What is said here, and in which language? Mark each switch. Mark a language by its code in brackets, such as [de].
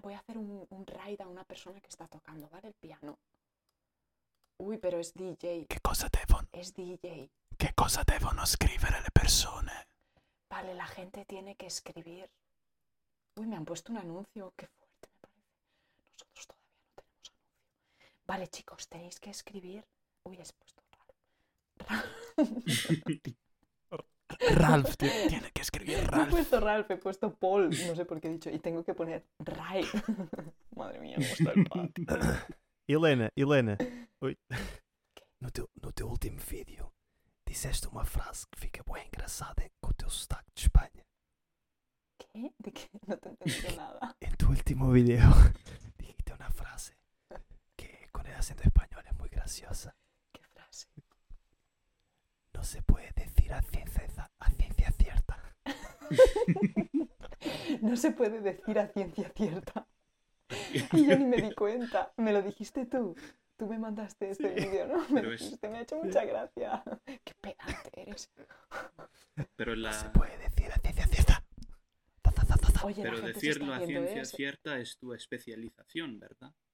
[es] voy a hacer un raid a una persona que está tocando, ¿vale? El piano. [it] Uy, però è DJ. Che cosa devono? È DJ. Che cosa devono scrivere le persone? [es] Vale, la gente tiene que escribir. Uy, me han puesto un anuncio. Qué fuerte me parece. Nosotros todavía no tenemos anuncio. Vale, chicos, tenéis que escribir. Uy, he puesto raro. Ralph tiene que escribir Ralph. No he puesto Ralph, he puesto Paul. No sé por qué he dicho. Y tengo que poner Ray. Madre mía, no está el pat. [pt] Elena. Oi. No teu último vídeo, disseste uma frase que fica bem engraçada com o teu sotaque de Espanha. Quê? De que? Não te entendi nada. Em teu último vídeo, [es] dijiste [pt] uma frase que, com o acento espanhol, é muito graciosa. Que frase? Não se pode dizer a ciência certa. Não se pode dizer a ciência certa. E eu nem [es] me di cuenta. Me lo dijiste tú. Tú me mandaste este sí, vídeo, ¿no? Usted me ha hecho mucha gracia. ¡Qué pedante eres! Pero la... ¿Se puede decir a ciencia cierta? Oye, pero decirlo a ciencia cierta es tu especialización, ¿verdad?